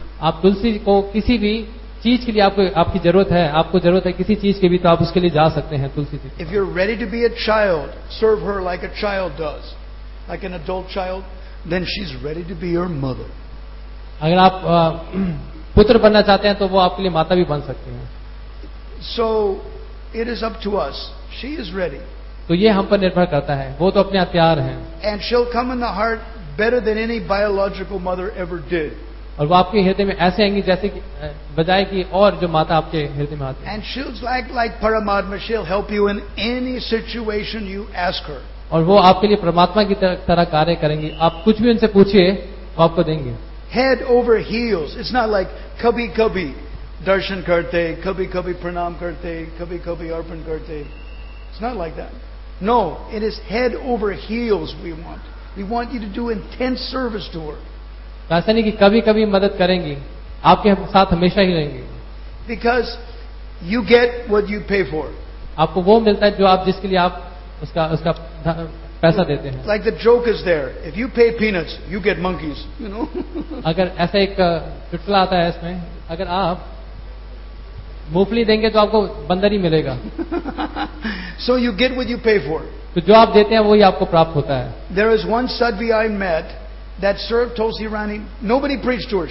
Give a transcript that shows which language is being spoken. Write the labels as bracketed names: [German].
[Hindi] आप तुलसी को किसी भी चीज के लिए आपकी जरूरत है आपको जरूरत है किसी चीज की भी तो आप उसके लिए जा सकते हैं Tulsi ji. [English] If you are ready to be a child serve her like a child does like an adult child then she is ready to be your mother. [Hindi] अगर आप पुत्र बनना चाहते हैं तो वो आपके लिए माता भी बन सकते हैं. [English] So It is up to us. She is ready. [Hindi] तो ये हम पर निर्भर करता है वो तो अपने आप तैयार है. [English] And she'll come in the heart better than any biological mother ever did. [Hindi] और वो आपके हृदय में ऐसे आएंगी जैसे बजाय की और जो माता आपके हृदय में आती. [English] And she'll like Paramatma. She'll help you in any situation you ask her. [Hindi] और वो आपके लिए परमात्मा की तरह कार्य करेंगी. आप कुछ भी उनसे पूछिए वो आपको देंगे. [English] Head over heels. It's not like [Hindi] कभी कभी दर्शन करते कभी कभी प्रणाम करते कभी कभी अर्पण करते. [English] It's not like that. No, it is head over heels we want. We want you to do intense service to her. [Hindi] ऐसा नहीं कि कभी कभी मदद करेंगी आपके साथ हमेशा ही रहेंगे. [English] Because you get what you pay for. [Hindi] आपको वो मिलता है जो आप जिसके लिए आप उसका उसका पैसा देते हैं. [English] Like the joke is there. If you pay peanuts, you get monkeys, you know. [Hindi] अगर ऐसा एक चुटकुला आता है इसमें अगर आप मूंगफली देंगे तो आपको बंदर ही मिलेगा. [English] So you get what you pay for. [Hindi] तो जो आप देते हैं वही आपको प्राप्त होता है. [English] There is one sadhvi I met that served Tulsi Rani. Nobody preached to her.